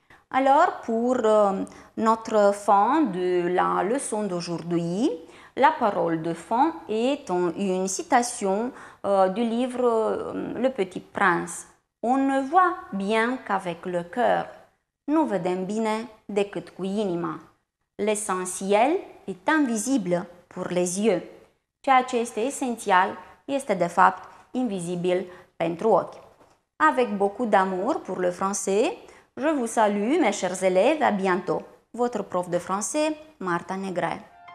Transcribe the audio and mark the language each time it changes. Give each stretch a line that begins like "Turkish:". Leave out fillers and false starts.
French: Alors pour notre fin de la leçon d'aujourd'hui, la parole de fond est une citation du livre Le Petit Prince. On ne voit bien qu'avec le cœur.
Romanian: Nu vedem bine decât cu inima.
French: L'essentiel est invisible pour les yeux.
Romanian: Ceea ce este esențial este de fapt invizibil pentru ochi.
French: Avec beaucoup d'amour pour le français, je vous salue mes chers élèves, à bientôt. Votre prof de français, Marta Negrel.